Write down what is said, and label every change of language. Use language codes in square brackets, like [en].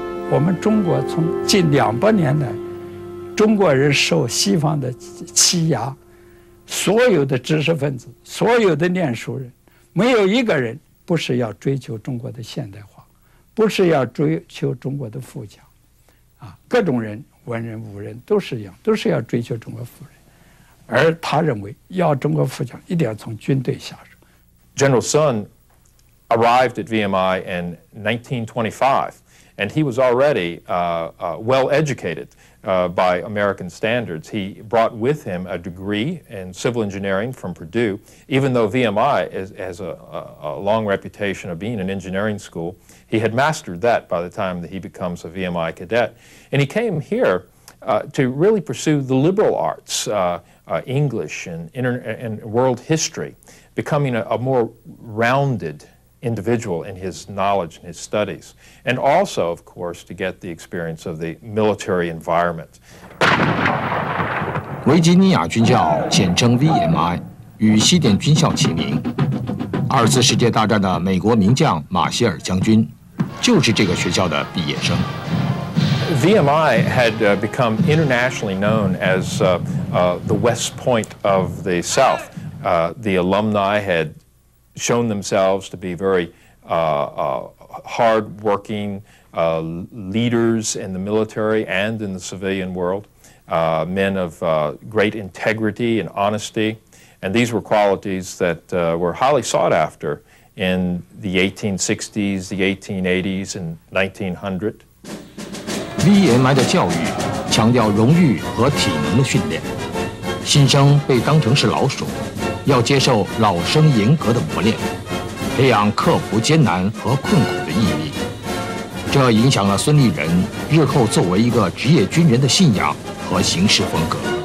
[zh] 我们中国从近200年来，中国人受西方的欺压，所有的知识分子，所有的念书人，没有一个人不是要追求中国的现代化，不是要追求中国的富强，啊，各种人，文人武人都是一样，都是要追求中国富人。而他认为要中国富强，一定要从军队下手。 [en] General Sun arrived at VMI in 1925. And he was already well-educated by American standards. He brought with him a degree in civil engineering from Purdue. Even though VMI has a long reputation of being an engineering school, he had mastered that by the time that he becomes a VMI cadet. And he came here to really pursue the liberal arts, English and world history, becoming a more rounded individual in his knowledge and his studies, and also, of course, to get the experience of the military environment. [zh] 维吉尼亚军校简称 VMI， 与西点军校齐名。二次世界大战的美国名将马歇尔将军就是这个学校的毕业生。 [en] VMI had become internationally known as the West Point of the South. The alumni had shown themselves to be very hard-working leaders in the military and in the civilian world, men of great integrity and honesty. And these were qualities that were highly sought after in the 1860s, the 1880s, and 1900. [zh] VMI 的教育强调荣誉和体能的训练，新生被当成是老鼠，要接受老生严格的磨练，培养克服艰难和困苦的毅力。这影响了孙立人日后作为一个职业军人的信仰和行事风格。